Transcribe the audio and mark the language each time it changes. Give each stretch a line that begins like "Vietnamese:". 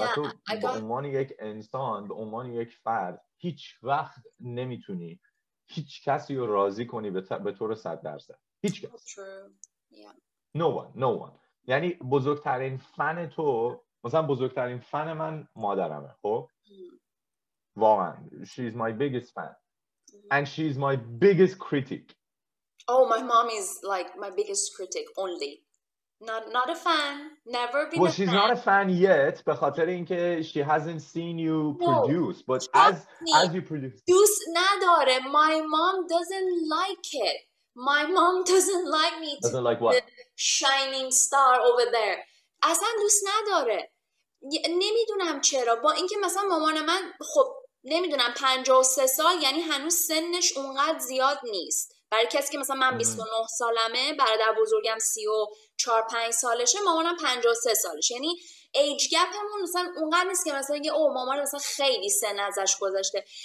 Persian: و تو به عنوان یک انسان، به عنوان یک فرد هیچ وقت نمیتونی هیچ کسی رو راضی کنی به طور 100%. هیچ کس.
English: No one.
Persian: یعنی بزرگترین فن تو، مثلا بزرگترین فن من مادرمه، خب واقعا
English: she's my biggest fan and she's my biggest critic. Oh my mom is like my biggest critic only, not a fan, never been. Well, she's fan. Not a fan yet
Persian: به خاطر اینکه
English: she hasn't seen you produce. No. But as you produce
Persian: دوست نداره.
English: My mom doesn't like it. My mom doesn't like me doesn't like what the shining star over there.
Persian: اصلا دوست نداره، نمیدونم چرا. با اینکه مثلا مامان من خب نمیدونم 53 سال، یعنی هنوز سنش اونقدر زیاد نیست برای کسی که مثلا من 29 سالمه، برادر بزرگم 34-35 سالشه، مامانم 53 سالشه، یعنی ایج گپمون مثلا اونقدر نیست که مثلا یه او مامان مثلا خیلی سن ازش گذشته.